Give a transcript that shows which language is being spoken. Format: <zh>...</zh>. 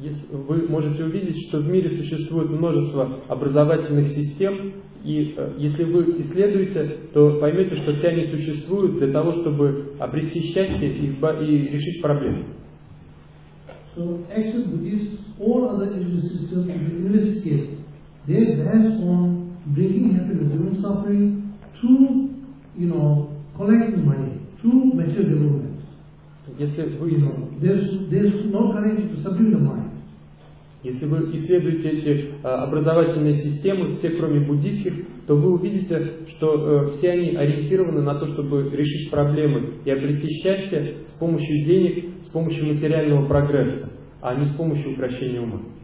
<ru>вы можете увидеть, что в мире существует множество образовательных систем, и если вы исследуете, то поймете, что все они существуют для того, чтобы обрести счастье и решить проблемы.</ru> <en>So, actually, Buddhists, all other religious systems have been investigated. They rest on bringing happiness and suffering to, you know, collecting money, to material development.</en> <ru>Если вы исследуете эти образовательные системы, все кроме буддийских, то вы увидите, что все они ориентированы на то, чтобы решить проблемы и обрести счастье с помощью денег, с помощью материального прогресса, а не с помощью упрощения ума.</ru>